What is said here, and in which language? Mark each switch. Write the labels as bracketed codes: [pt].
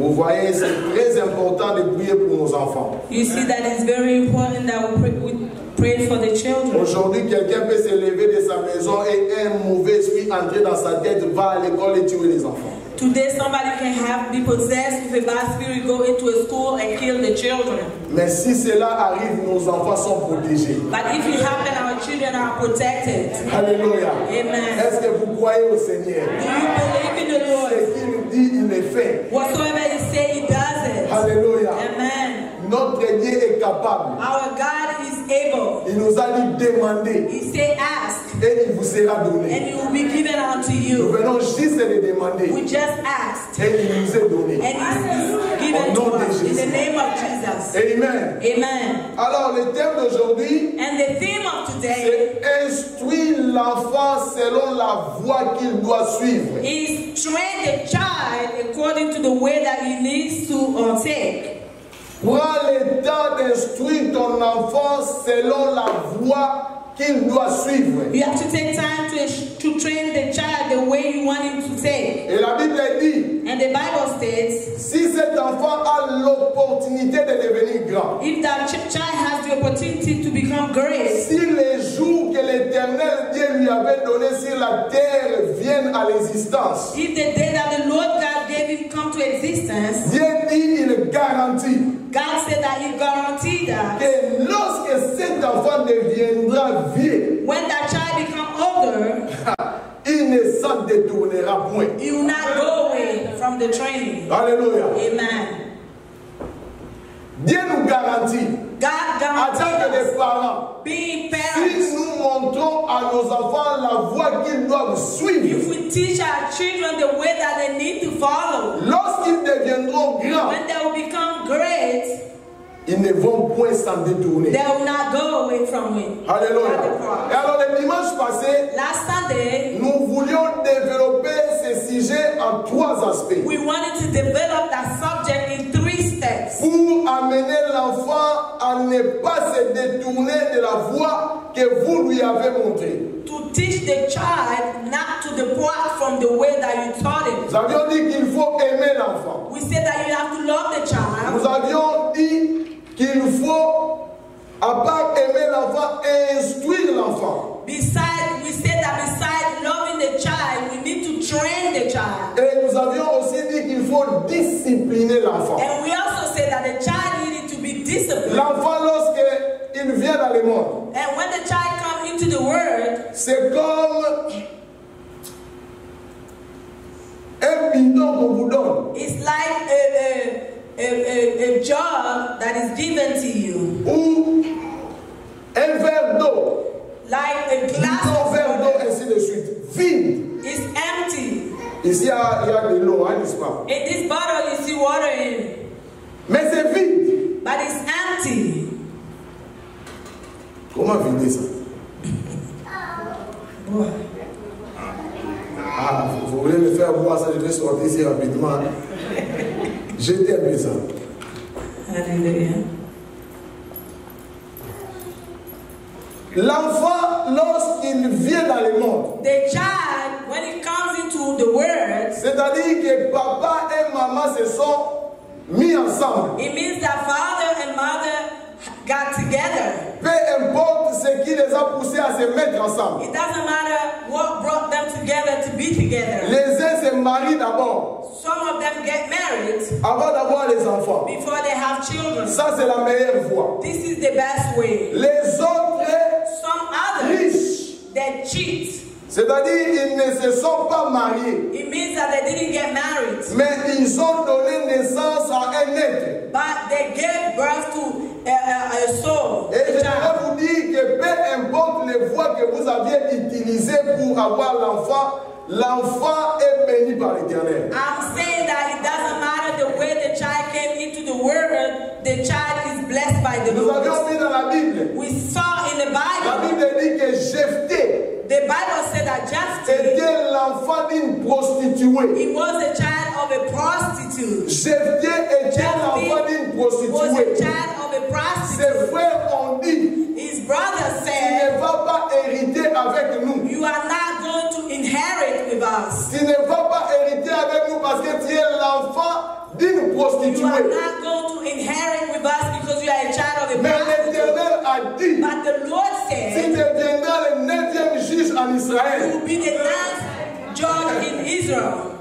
[en] You see that it's very important that we pray for the children. [fr] Aujourd'hui, quelqu'un peut se lever de sa maison et un mauvais esprit entrer dans sa tête, va à l'école et tuer les enfants. [en] Today, somebody can have be possessed with a bad spirit, go into a school and kill the children. [fr] Mais si cela arrive, nos enfants sont protégés. [en] But if it happens, our children are protected. [fr] Alléluia. [en] Amen. [fr] Est-ce que vous croyez au Seigneur? [en] Do you believe in the Lord? [fr] Ce qu'il dit, il le fait. [en] Whatsoever he says, he does it. [fr] Alléluia. [en] Amen. [fr] Notre Dieu est capable. [en] Our God is able. [fr] Il nous a dit demander. [en] He said ask. [fr] Et il vous sera donné. [en] And it will be given unto you. [fr] Nous venons juste de demander. [en] We just asked. [fr] Et il nous est donné. [en] And it is given to us. In the name of Jesus. Amen. Amen. [fr] Alors le thème d'aujourd'hui. [en] And the theme of today. [fr] C'est instruire l'enfant selon la voie qu'il doit suivre. [en] Is train the child according to the way that he needs to take. [fr] Prends le temps d'instruire ton enfant selon la voie qu'il doit suivre. [en] You have to take time to train the child the way you want him to take. [fr] Et la Bible dit. [en] And the Bible states. [fr] Si cet enfant a l'opportunité de devenir grand. [en] If that child has the opportunity to become great. [fr] Si les jours que l'Éternel Dieu lui avait donnés sur la terre viennent à l'existence. [en] If the day that the Lord God gave him come to existence. [fr] Dieu dit il garantit. [en] God said that he guaranteed that. [fr] Que lorsque cet enfant deviendra vieux. [en] When that child becomes older. [fr] Il ne s'en détournera point. [en] He will not go away from the training. [fr] Alléluia. [en] Amen. [fr] Dieu nous garantit. [en] God guarantees. [fr] En tant que parents. [en] Being parents. [fr] Si nous montrons à nos enfants la voie qu'ils doivent suivre. [en] If we teach our children the way that they need to follow. [fr] Lorsqu'ils deviendront grands. [en] When they will become great. [fr] Ils ne vont point s'en détourner. [en] They will not go away from me. [fr] Alléluia. Et alors le dimanche passé. [en] Last Sunday. [fr] Nous voulions développer ce sujet en trois aspects. [en] We wanted to develop that subject in three steps. [fr] Pour amener l'enfant à ne pas se détourner de la voie que vous lui avez montrée. [en] To teach the child not to depart from the way that you taught him. [fr] Nous avions dit qu'il faut aimer l'enfant. [en] We said that you have to love the child. [fr] Nous avions dit qu'il faut, à part aimer l'enfant, instruire l'enfant. [en] Besides, we said that besides loving the child, we need to train the child. [fr] Et nous avions aussi dit qu'il faut discipliner l'enfant. [en] And we also said that the child needed to be disciplined. [fr] L'enfant, lorsque il vient dans le monde. [en] And when the child comes into the world, [fr] c'est comme un bidon qu'on vous donne. [en] It's like a jar that is given to you. [fr] Ou un verre d'eau. [en] Like a glass of water. [fr] Verre d'eau, ainsi de suite. Vide. [en] It's empty. [fr] Ici, il y a de l'eau, hein, n'est-ce pas? [en] In this bottle, you see water in. [fr] Mais c'est vide. [en] But it's empty. [fr] Comment vider ça? [en] Boy. [fr] Ah, vous voulez me faire voir ça, je vais sortir ici rapidement. J'étais à mes ans. Alléluia. L'enfant, lorsqu'il vient dans le monde, [en] the child, when he comes into the world, [fr] c'est-à-dire que papa et maman se sont mis ensemble. [en] It means that father and mother got together. [fr] Peu importe ce qui les a poussés à se mettre ensemble. [en] It doesn't matter what brought them together to be together. [fr] Les uns se marient d'abord. [en] Some of them get married. [fr] Avant d'avoir les enfants. [en] Before they have children. [fr] Ça c'est la meilleure voie. [en] This is the best way. [fr] Les autres. [en] Some others. [fr] Riches. [en] They cheat. [fr] C'est-à-dire ils ne se sont pas mariés. [en] It means that they didn't get married. [fr] Mais ils ont donné naissance à un être. [en] But they gave birth to a soul. [fr] Et je vais vous dire que peu importe les voies que vous aviez utilisées pour avoir l'enfant, l'enfant est béni par l'Éternel. [en] I'm saying that it doesn't matter the way the child came into the world, the child is blessed by the Lord. [fr] Nous avions vu dans la Bible. [en] We saw in the Bible. [fr] La Bible dit que Jephthé. [en] The Bible said that Jephthé. [fr] était l'enfant d'une prostituée. [en] He was the child of a prostitute. [fr] Jephthé était l'enfant d'une prostituée. [en] Was a child of a prostitute. [fr] Ses frères ont dit, [en] his brother said, [fr] tu ne vas pas hériter avec nous. [en] You are not going to inherit with us. [fr] Tu ne vas pas hériter avec nous parce que tu es l'enfant d'une prostituée. [en] You are not going to inherit with us because you are a child of a prostitute. [fr] Mais l'Éternel a dit, [en] but the Lord said, [fr] si tu deviendras le neuvième juge en Israël, [en] you will be the last judge in Israel.